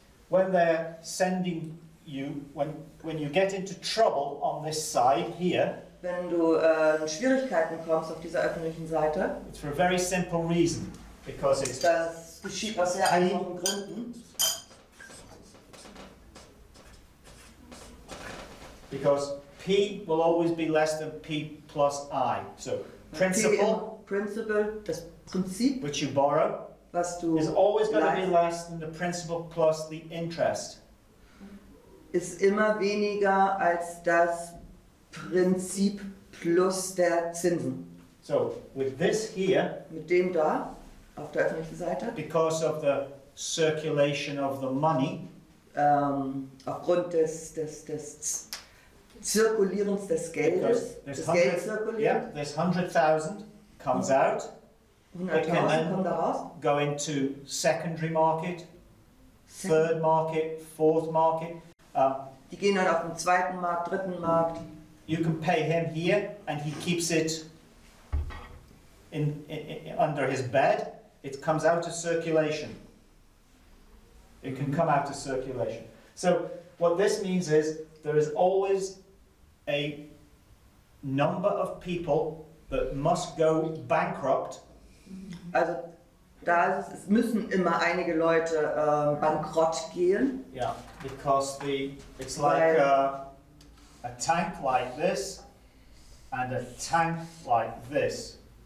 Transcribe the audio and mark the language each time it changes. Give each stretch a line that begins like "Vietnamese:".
English: When they're sending you, when you get into trouble on this side here.
German: Wenn du in Schwierigkeiten kommst auf dieser öffentlichen Seite.
English: It's for a very simple reason, because it's.
German: Das geschieht aus sehr einfachen Gründen.
English: Because P will always be less than P plus I. So principal,
German: principal, das Prinzip,
English: which you borrow,
German: was du
English: is always going to be less than the principal plus the interest.
German: Ist immer weniger als das Prinzip plus der Zinsen.
English: So with this here,
German: mit dem da, auf der öffentlichen Seite,
English: because of the circulation of the money,
German: aufgrund des Zirkulierens des Geldes, das Geld zirkuliert.
English: Yeah, this 100,000 comes out.
German: 100,000 kommt raus.
English: Go into secondary market, third market, fourth market.
German: Die gehen dann auf den zweiten Markt, dritten Markt.
English: You can pay him here, and he keeps it in under his bed. It comes out of circulation. It can come out of circulation. So what this means is there is always a number of people that must go bankrupt.
German: Also, da es müssen immer einige Leute bankrott gehen.
English: Yeah, because the it's like a tank like this and a tank like this.